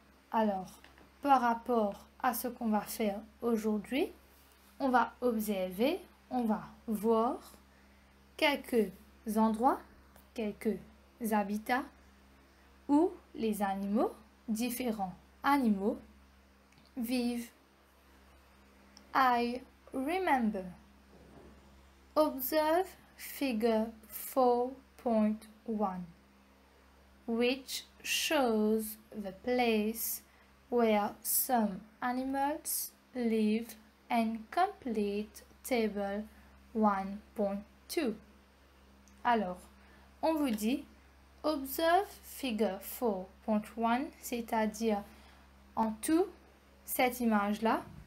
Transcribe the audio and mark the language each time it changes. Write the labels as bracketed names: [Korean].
[French] Alors, par rapport à ce qu'on va faire aujourd'hui, on va observer, on va voir quelques endroits, quelques habitats où les animaux, différents animaux, vivent. [English] I remember. Observe figure 4.1, which shows the place where some animals live and complete table 1.2. [French] Alors, on vous dit, [English] observe figure 4.1, [French] c'est-à-dire en tout, cette image-là.